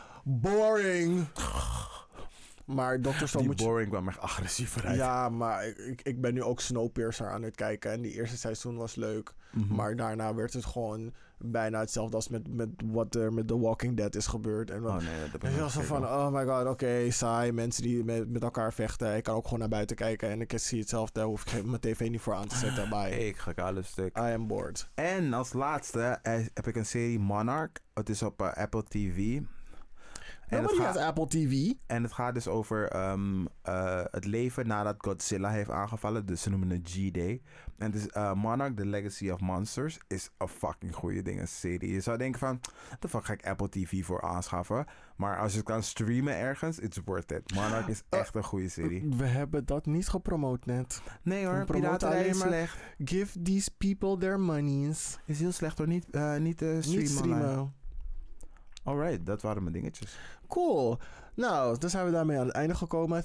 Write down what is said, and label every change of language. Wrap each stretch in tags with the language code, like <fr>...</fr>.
<nl>Boring! Maar Dr. Stone die boring kwam echt agressief uit. Ja, maar ik ben nu ook Snowpiercer aan het kijken. En die eerste seizoen was leuk. Mm-hmm. Maar daarna werd het gewoon bijna hetzelfde als met wat er met The Walking Dead is gebeurd. En oh nee, dat ik was zo van, oh my god, oké, saai. Mensen die met elkaar vechten. Ik kan ook gewoon naar buiten kijken. En ik zie hetzelfde. Hoef ik mijn tv niet voor aan te zetten.</nl> <en>Bye.</en> <nl>Ik ga alles stuk.</nl> <en>I am bored.</en> <nl>En als laatste heb ik een serie Monarch. Het is op Apple TV.</nl> <en>Nobody has Apple TV.</en> <nl>En het gaat dus over het leven nadat Godzilla heeft aangevallen. Dus ze noemen het G-Day. En het is Monarch, The Legacy of Monsters. Is een fucking goede ding, een serie. Je zou denken van, what the fuck ga ik Apple TV voor aanschaffen? Maar als je het kan streamen ergens, it's worth it. Monarch is echt een goede serie. We hebben dat niet gepromoot net. Nee hoor, piraten alleen maar slecht.</nl> <en>Give these people their monies.</en> <nl>Is heel slecht hoor, niet streamen. Alright, dat waren mijn dingetjes. Cool. Nou, dan zijn we daarmee aan het einde gekomen.</nl>